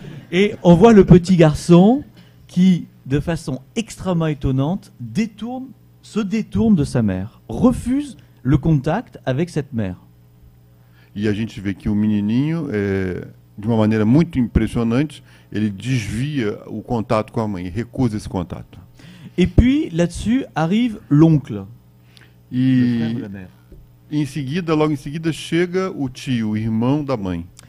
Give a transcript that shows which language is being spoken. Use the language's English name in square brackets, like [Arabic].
[French] Et on voit le petit garçon qui, de façon extrêmement étonnante, se détourne de sa mère, refuse le contact avec cette mère. [Portuguese] E a gente vê que o menininho, de uma maneira muito impressionante, ele desvia o contato com a mãe, recusa esse contato. [French] Et puis, là-dessus, arrive l'oncle. [Portuguese] E em seguida, logo em seguida, chega o tio, o irmão da mãe.